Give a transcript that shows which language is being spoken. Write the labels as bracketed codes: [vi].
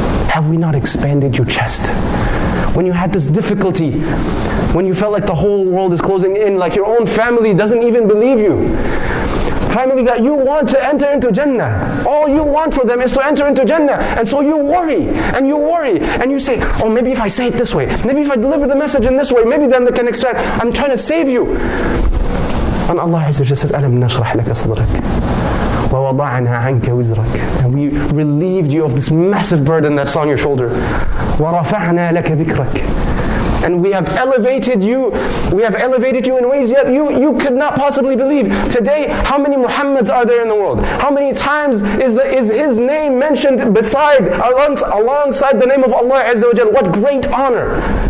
[en] Have we not expanded your chest? When you had this difficulty, when you felt like the whole world is closing in, like your own family doesn't even believe you. Family that you want to enter into Jannah. All you want for them is to enter into Jannah. And so you worry, and you worry, and you say, oh, maybe if I say it this way, maybe if I deliver the message in this way, maybe then they can expect, I'm trying to save you. And Allah Azza wa Jalla says, [ar] أَلَمْ نَشْرَحْ لَكَ صَدْرَكَ وَوَضَعْنَا عَنْكَ وِزْرَكَ. [en] And we relieved you of this massive burden that's on your shoulder. [ar] وَرَفَعْنَا لَكَ ذِكْرَكَ. [en] And we have elevated you. We have elevated you in ways that you could not possibly believe. Today, how many Muhammads are there in the world? How many times is his name mentioned beside, alongside the name of Allah Azza wa Jalla? What great honor.